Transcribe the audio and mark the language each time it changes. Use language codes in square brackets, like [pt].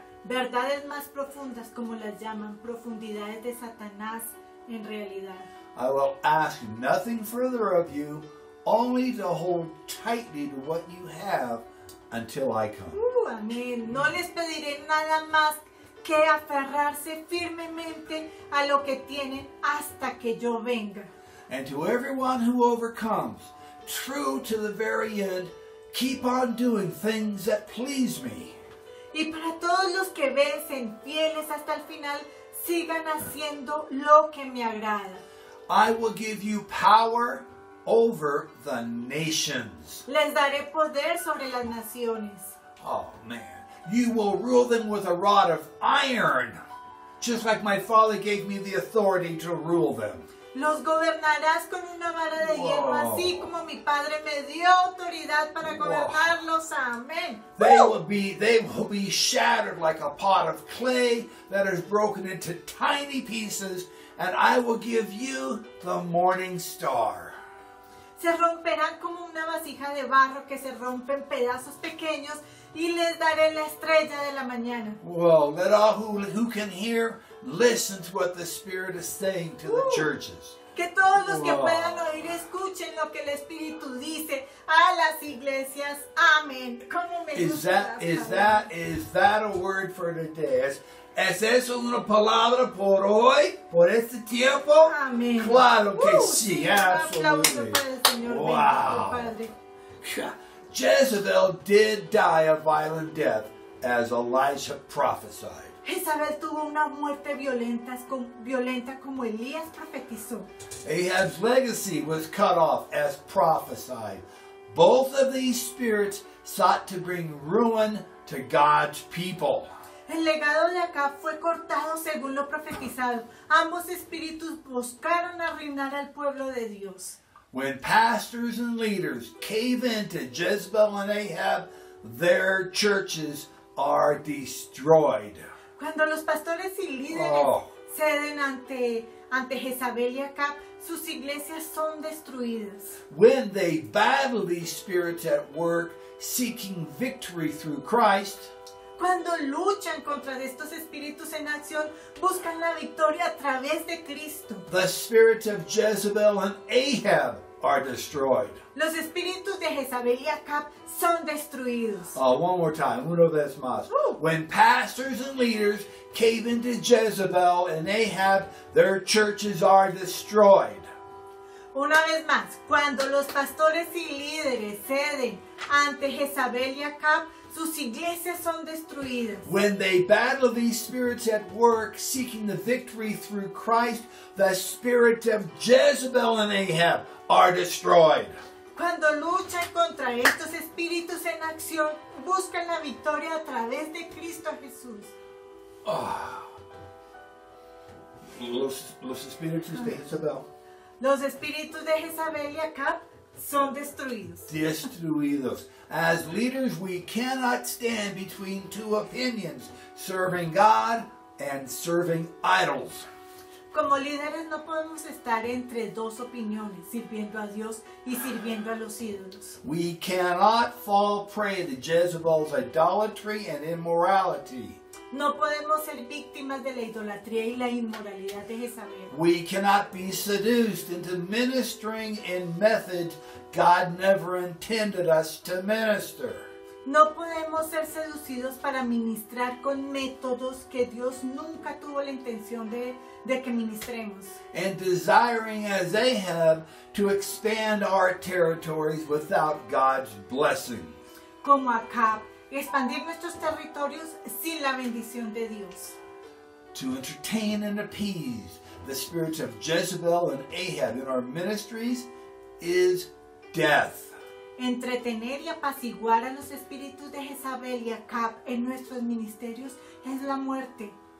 [es] Verdades más profundas, como las llaman, profundidades de Satanás, en realidad. [en] I will ask nothing further of you, only to hold tightly to what you have until I come. [es] Amén. No les pediré nada más que aferrarse firmemente a lo que tienen hasta que yo venga. [en] And to everyone who overcomes, true to the very end, keep on doing things that please me. [es] Y para todos los que vencen fieles hasta el final, sigan haciendo lo que me agrada. [en] I will give you power over the nations. [es] Les daré poder sobre las naciones. [en] Oh, man. You will rule them with a rod of iron, just like my father gave me the authority to rule them. [es] Los gobernarás con una vara de hierro, así como mi padre me dio autoridad para gobernarlos. Amén. [en] They will be shattered like a pot of clay that is broken into tiny pieces, and I will give you the morning star. [es] Se romperán como una vasija de barro que se rompe en pedazos pequeños, y les daré la estrella de la mañana. [en] Well, let all who can hear listen to what the Spirit is saying to the churches. [es] Que todos los que puedan oír escuchen lo que el Espíritu dice a las iglesias. Amén. ¿Cómo me [en] Is that a word for today? [es] ¿Es eso una palabra por hoy? ¿Por este tiempo? Amén. Claro que sí, [en] absolutely. [es] Aplauso para el Señor. Wow. Bendito, Padre. [en] Jezebel did die a violent death, as Elisha prophesied. [es] Jezebel tuvo una muerte violenta como Elías profetizó. [en] Ahab's legacy was cut off, as prophesied. Both of these spirits sought to bring ruin to God's people. [es] El legado de Acab fue cortado según lo profetizado. Ambos espíritus buscaron arruinar al pueblo de Dios. [en] When pastors and leaders cave in to Jezebel and Ahab, their churches are destroyed. [es] Cuando los pastores y líderes ceden ante Jezebel y Acab, sus iglesias son destruidas. [en] When they battle these spirits at work, seeking victory through Christ, [es] cuando luchan contra estos espíritus en acción, buscan la victoria a través de Cristo. [en] The spirits of Jezebel and Ahab are destroyed. [es] Los espíritus de Jezebel y Acab son destruidos. [en] One more time, [es] uno vez más. [en] When pastors and leaders cave into Jezebel and Ahab, their churches are destroyed. [es] Una vez más, cuando los pastores y líderes ceden ante Jezebel y Acab, sus iglesias son destruidas. [en] When they battle these spirits at work, seeking the victory through Christ, the spirit of Jezebel and Ahab are destroyed. [es] Cuando luchan contra estos espíritus en acción, buscan la victoria a través de Cristo Jesús. Oh. Los espíritus de Jezebel. Los espíritus de Jezebel y Acab son destruidos. Destruidos. [en] As leaders, we cannot stand between two opinions, serving God and serving idols. [es] Como líderes no podemos estar entre dos opiniones, sirviendo a Dios y sirviendo a los ídolos. [en] We cannot fall prey to Jezebel's idolatry and immorality. [es] No podemos ser víctimas de la idolatría y la inmoralidad de Jezebel. [en] We cannot be seduced into ministering in methods God never intended us to minister. [es] No podemos ser seducidos para ministrar con métodos que Dios nunca tuvo la intención de que ministremos. [en] And desiring as Ahab to expand our territories without God's blessing. [es] Como Acab, expandir nuestros territorios sin la bendición de Dios. [en] To entertain and appease the spirits of Jezebel and Ahab in our ministries is death. [es] Entretener y apaciguar a los espíritus de Jezabel y Acab en nuestros ministerios es la muerte.